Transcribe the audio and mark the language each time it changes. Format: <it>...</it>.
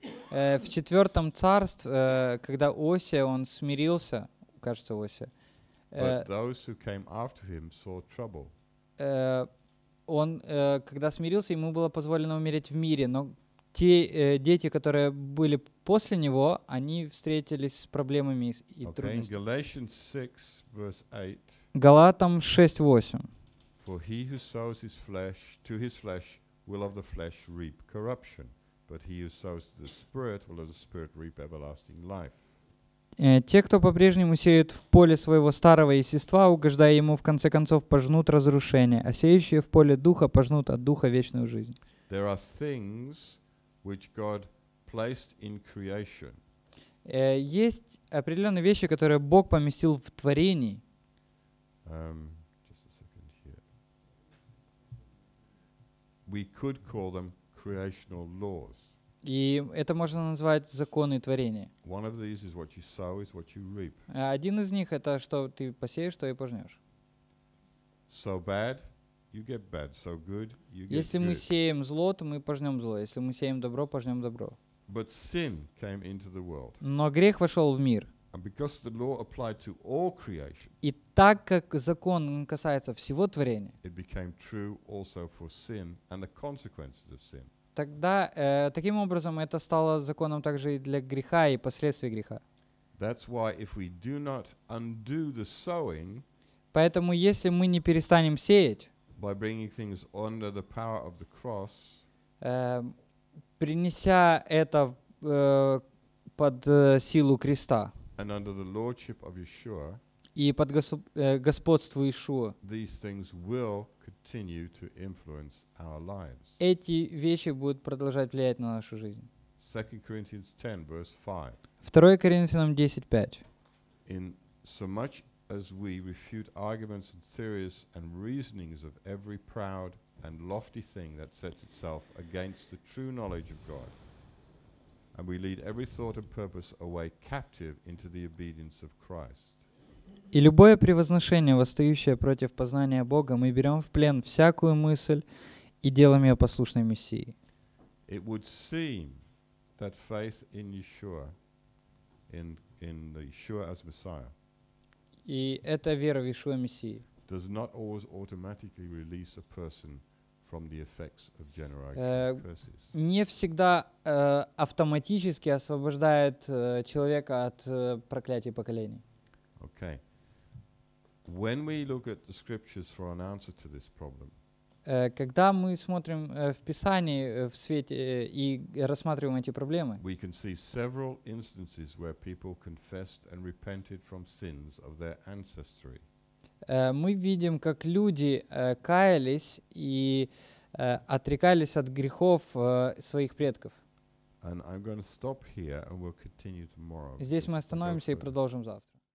<ru>В четвертом царстве, когда Осия, он смирился, кажется, Осия,</ru> <en>but those who came after him saw trouble.</en> <ru>Он, когда смирился, ему было позволено умереть в мире, но те дети, которые были после него, они встретились с проблемами и трудностями.</ru> <en>Galatians 6, verse 8.</en> <ru>Галатам 6:8.</ru> <en>For he who sows his flesh to his flesh will of the flesh reap corruption, but he who sows to the Spirit will of the Spirit reap everlasting life.</en> <ru>Те, кто по-прежнему сеют в поле своего старого естества, угождая ему, в конце концов, пожнут разрушение, а сеющие в поле Духа пожнут от Духа вечную жизнь.</ru> <en>There are things which God placed in creation.</en> <ru>Есть определенные вещи, которые Бог поместил в творении.</ru> <en>Just a second here. we could call them creational laws.</en> <ru>И это можно назвать законы творения.</ru> <en>One of these is what you sow is what you reap.</en> <ru>Один из них — это что ты посеешь, то и пожнешь.</ru> <en>So bad, you get bad. So good, you get</en> <ru>Если</ru> <en>good.</en> <ru>Мы сеем зло, то мы пожнем зло. Если мы сеем добро, пожнем добро.</ru> <en>But sin came into the world.</en> <ru>Но грех вошел в мир.</ru> <en>And because the law applied to all creation,</en> <ru>и так как закон касается всего творения,</ru> <en>it became true also for sin and the consequences of sin.</en> <ru>Тогда, таким образом, это стало законом также и для греха, и последствий греха.</ru> <en>That's why if we do not undo the sowing,</en> <ru>поэтому если мы не перестанем сеять,</ru> <en>by bringing things under the power of the cross,</en> <ru>принеся это под силу креста,</ru> <en>and under the lordship of Yeshua,</en> <ru>и под господству Иешуа,</ru> <en>these things will continue to influence our lives.</en> <ru>Эти вещи будут продолжать влиять на нашу жизнь.</ru> <en>2 Corinthians 10, verse 5.</en> <ru>2 Коринфянам 10:5.</ru> <en>In so much as we refute arguments and theories and reasonings of every proud and lofty thing that sets itself against the true knowledge of God, and we lead every thought and purpose away captive into the obedience of Christ.</en> <ru>И любое превозношение, восстающее против познания Бога, мы берем в плен всякую мысль и делаем ее послушной Мессии.</ru> <en>It would seem that faith in Yeshua, in the Yeshua as Messiah,</en> <ru>и это вера в Иешуа Мессии,</ru> <en>does not always automatically release a person from the effects of generational curses.</en> <ru>Не всегда автоматически освобождает человека от проклятий поколений.</ru> <en>Okay. When we look at the scriptures for an answer to this problem,</en> <ru>когда мы смотрим в Писании в свете и рассматриваем эти проблемы,</ru> <en>we can see several instances where people confessed and repented from sins of their ancestry.</en> <ru>Мы видим, как люди каялись и отрекались от грехов своих предков.</ru> <en>And I'm going to stop here and we'll continue tomorrow.</en> <ru>Здесь мы остановимся и продолжим завтра.</ru>